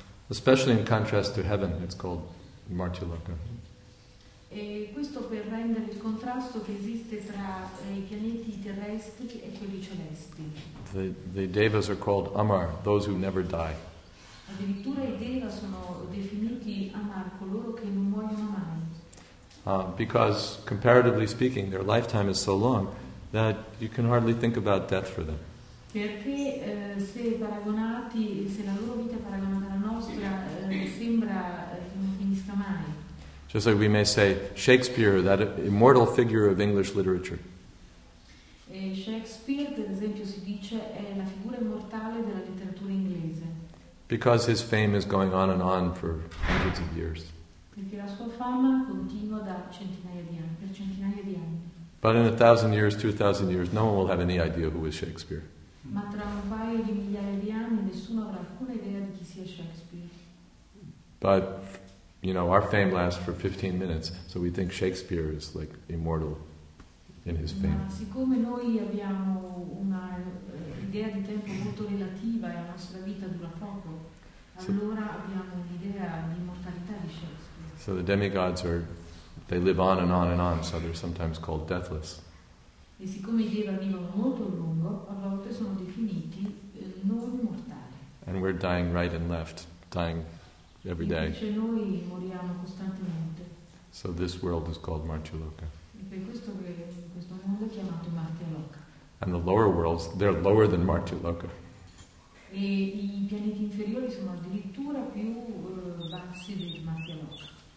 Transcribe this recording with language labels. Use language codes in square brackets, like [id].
[en] Especially in contrast to heaven, it's called Martyloka. [it] E questo per rendere il contrasto che esiste tra i pianeti terrestri e quelli celesti. [en] The devas are called Amar, those who never die. [it] Addirittura i deva sono definiti Amar, coloro che non muoiono mai. [en] Because, comparatively speaking, their lifetime is so long that you can hardly think about death for them. [it] Perché se paragonati, se la loro vita paragonata alla nostra, sembra che non finisca mai. [en] Just like we may say, Shakespeare, that immortal figure of English literature. [it] E Shakespeare, per esempio, si dice, è la figura immortale della letteratura inglese. [en] Because his fame is going on and on for hundreds of years. [it] Perché la sua fama continua da centinaia di anni, per centinaia di anni. [en] But in 1,000 years, 2,000 years, no one will have any idea who is Shakespeare. [it] Ma tra un paio di migliaia di anni nessuno avrà alcuna idea di chi sia Shakespeare. [en] But, you know, our fame lasts for 15 minutes, so we think Shakespeare is like immortal in his fame. [it] Ma siccome noi abbiamo una idea di tempo molto relativa e la nostra vita dura poco, allora abbiamo un'idea di immortalità di Shakespeare. [en] So the demigods are, they live on and on and on, so they're sometimes called deathless. [it] E siccome i deva vivono molto lungo, a volte sono definiti non immortali. [en] And we're dying right and left, dying every day. [it] E noi moriamo costantemente. [en] So this world is called Martyloka. [it] E per questo che questo mondo è chiamato Martyloka. [en] And the lower worlds, they're lower than Martyloka. [it] E i pianeti inferiori sono addirittura più bassi di Martyloka.